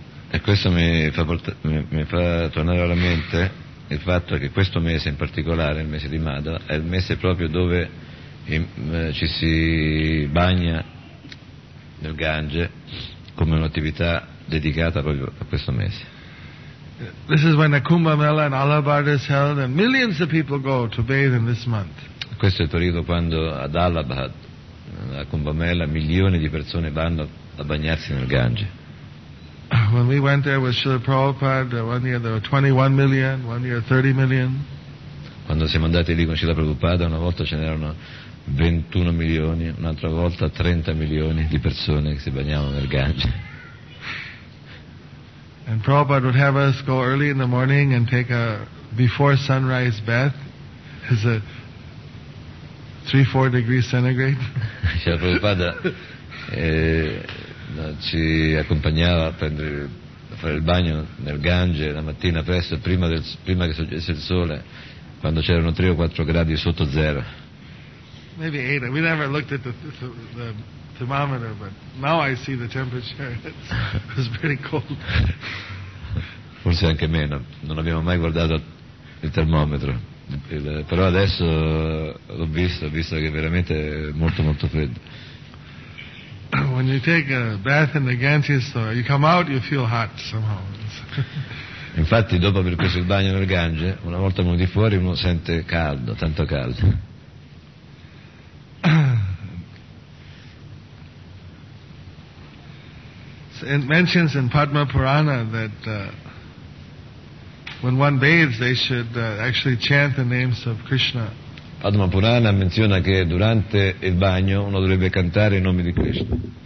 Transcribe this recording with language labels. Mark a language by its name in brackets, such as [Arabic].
[Italian] E questo mi fa tornare alla mente il fatto che questo mese in particolare, il mese di Madhava, è il mese proprio dove ci si bagna nel Gange come un'attività dedicata proprio a questo mese. [English] This is when the Kumbh Mela in Allahabad is held and millions of people go to bathe in this month. [Italian] Questo è il periodo quando ad Allahabad, a Kumbh Mela, milioni di persone vanno a bagnarsi nel Gange. [English] When we went there with Srila Prabhupada, one year there were 21 million, one year 30 million. [Italian] Quando siamo andati lì con Srila Prabhupada, una volta ce n'erano 21 milioni, un'altra volta 30 milioni di persone che si bagnavano nel Gange. [English] And Prabhupada would have us go early in the morning and take a before sunrise bath. It's a 3-4 degrees centigrade. [Italian] Srila Prabhupada ci accompagnava a fare il bagno nel Gange la mattina presto prima che sorgesse il sole quando c'erano 3 o 4 gradi sotto zero. [English] Maybe 8. We never looked at the thermometer, but now I see the temperature. It's pretty cold. [Italian] Forse anche meno. Non abbiamo mai guardato il termometro. Però adesso l'ho visto. Ho visto che è veramente molto molto freddo. [English] When you take a bath in the Ganges, you come out, you feel hot somehow. [Italian] Infatti, dopo aver preso il bagno nel Gange, una volta venuti fuori, uno sente caldo, tanto caldo. [English] It mentions in Padma Purana that when one bathes, they should actually chant the names of Krishna. [Italian] Padma Purana menziona che durante il bagno uno dovrebbe cantare i nomi di Krishna.